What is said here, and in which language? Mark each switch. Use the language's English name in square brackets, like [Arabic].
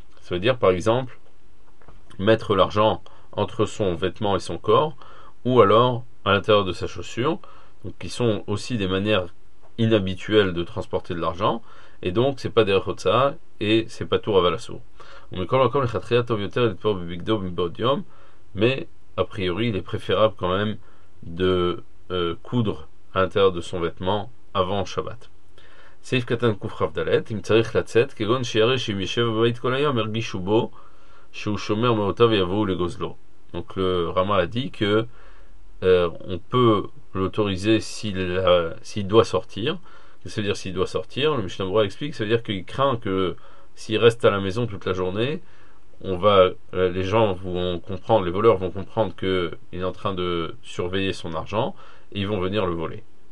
[French] Ça veut dire par exemple mettre l'argent entre son vêtement et son corps, ou alors à l'intérieur de sa chaussure, donc qui sont aussi des manières inhabituelles de transporter de l'argent. Et donc c'est pas derech otsaa et c'est pas tour avalasso. Mais a priori il est préférable quand même de coudre à l'intérieur de son vêtement avant Shabbat. [Hebrew] סעיף קטן קכ"ד, אם צריך לצאת, כגון שירא שאם יישב בבית כל היום, ירגישו בו שהוא שומר מאותיו ויבואו לגוזלו. [French] Donc le Rama a dit que on peut l'autoriser s'il doit sortir. Ça veut dire s'il doit sortir. Le Mishnah Berurah explique, ça veut dire qu'il craint que s'il reste à la maison toute la journée, on va les gens vont comprendre, les voleurs vont comprendre qu'il est en train de surveiller son argent et ils vont venir le voler.